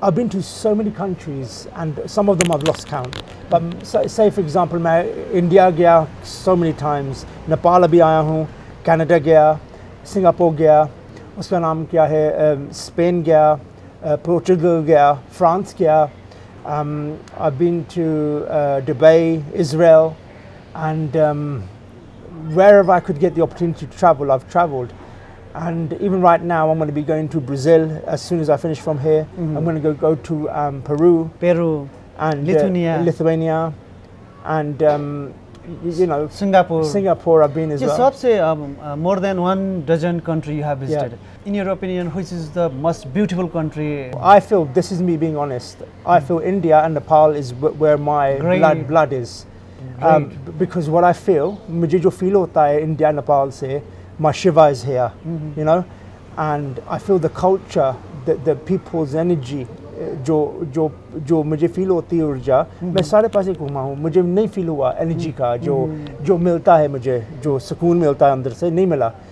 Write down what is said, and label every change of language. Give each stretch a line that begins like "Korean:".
English: I been to so many countries and some of them I have lost count. But say for example,
Hindi: मैं India गया
English: so many times,
Hindi: Nepal अभी आया हूँ, Canada गया, Singapore गया, उसका नाम क्या है, स्पेन गया, पुर्तगाल गया, फ्रांस गया.
English: I been to Dubai, Israel and wherever I could get the opportunity to travel, I've traveled. And even right now, I'm going to be going to Brazil as soon as I finish from here. I'm going to go to Peru, and Lithuania, and you know, Singapore I've been as well. So I'd say more than one dozen countries you have visited. Yeah. In your opinion, which is the most beautiful country? I feel, this is me being honest, I feel India and Nepal is where my blood is. Because what I feel,
Hindi: मुझे जो feel होता है India Nepal से,
English: my Shiva is here, you know, and I feel the culture, the people's energy,
Hindi: जो जो जो मुझे feel होती है ऊर्जा, मैं सारे पास ही घूमा हूँ, मुझे नहीं फील हुआ एनर्जी का जो जो मिलता है, मुझे जो सुकून मिलता है अंदर से नहीं मिला.